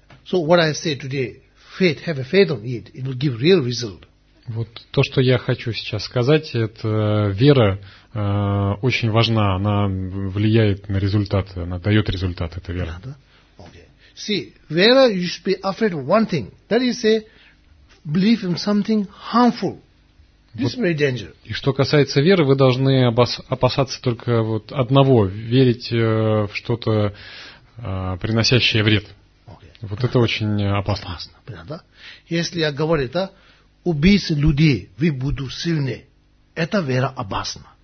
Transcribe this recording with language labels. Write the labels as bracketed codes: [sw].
[en] So what I say today, faith, have a faith on it, it will give real result. [ru] Вот то, что я хочу сейчас сказать, это вера очень важна, она влияет на результат, она дает результат, эта вера. Да? Okay. [en] See, vera, you should be afraid of one thing. That is say, believe in something harmful. This is very dangerous. [ru] И что касается веры, вы должны опасаться только вот одного, верить в что-то, приносящее вред. [en] Okay. [ru] Вот это очень опасно. Понятно, да? Если я говорю, да, убийцы людей, вы будете сильны, это вера опасна.